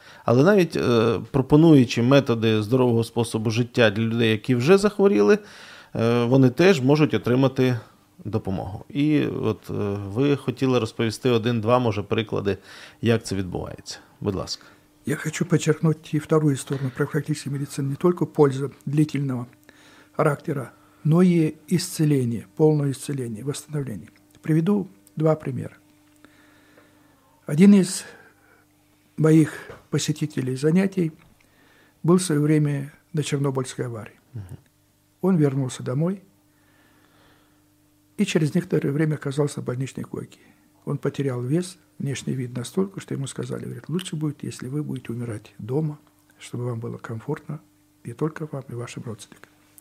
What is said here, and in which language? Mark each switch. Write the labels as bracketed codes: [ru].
[uk] Але навіть пропонуючи методи здорового способу життя для людей, які вже захворіли, вони теж можуть отримати допомогу. І от ви хотіли розповісти один-два, може, приклади, як це відбувається. Будь ласка. Я хочу подчеркнути і вторую сторону профілактичної медицини. [ru] Не тільки польза длительного характеру, но і исцеление, повне исцеление, восстановление. Приведу два примера. [uk] Один із моїх посетителей занятий був в своє время на Чорнобильській аварії. [ru] Он вернулся домой и через некоторое время оказался в больничной койке. Он потерял вес, внешний вид настолько, что ему сказали, говорит, лучше будет, если вы будете умирать дома, чтобы вам было комфортно, не только вам и вашим родственникам.